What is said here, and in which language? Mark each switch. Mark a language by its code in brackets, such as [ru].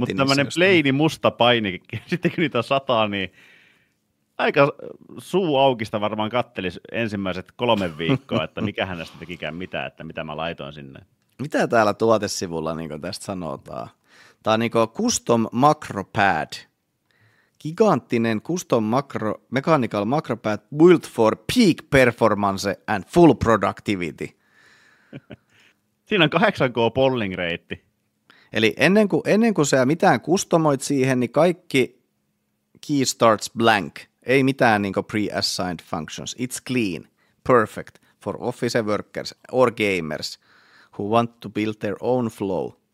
[fi] Mutta tämmöinen plaini musta painike, sitten kun niitä on 100, niin aika suu aukista varmaan kattelisi ensimmäiset 3 viikkoa, että mikähän näistä tekikään mitään, että mitä mä laitoin sinne. Mitä täällä tuotesivulla niin tästä sanotaan? Tämä on niin custom macro pad. [en] Giganttinen custom macro, mechanical macro pad built for peak performance and full productivity. [fi] Siinä on 8K polling reitti. Eli ennen kuin sä mitään customoit siihen, niin kaikki [en] key starts blank. [fi] Ei mitään niin kuin [en] pre-assigned functions. It's clean, perfect for office workers or gamers who want to build their own flow.